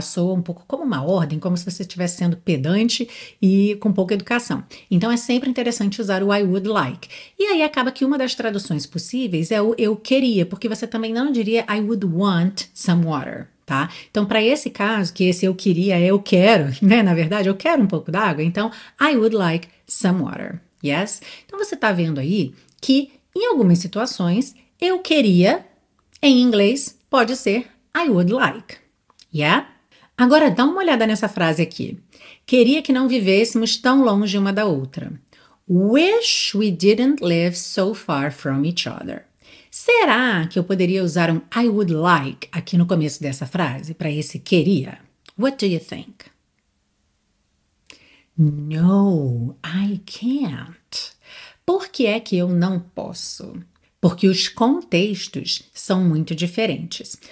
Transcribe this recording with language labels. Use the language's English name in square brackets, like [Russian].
[Portuguese] Soa um pouco como uma ordem, como se você estivesse sendo pedante e com pouca educação. Então é sempre interessante usar o [English] I would like. [Portuguese] E aí acaba que uma das traduções possíveis é o eu queria, porque você também não diria [English] I would want some water. [Portuguese] Tá? Então, para esse caso, que esse eu queria, eu quero, né? Na verdade, eu quero um pouco d'água. [English] Então, I would like some water. Yes? [Portuguese] Então, você está vendo aí que, em algumas situações, eu queria, em inglês, pode ser [English] I would like. Yeah? [Portuguese] Agora, dá uma olhada nessa frase aqui. Queria que não vivêssemos tão longe uma da outra. [English] Wish we didn't live so far from each other. [Portuguese] Será que eu poderia usar um [English] I would like [Portuguese] aqui no começo dessa frase para esse queria? [English] What do you think? No, I can't. [Portuguese] Por que é que eu não posso? Porque os contextos são muito diferentes.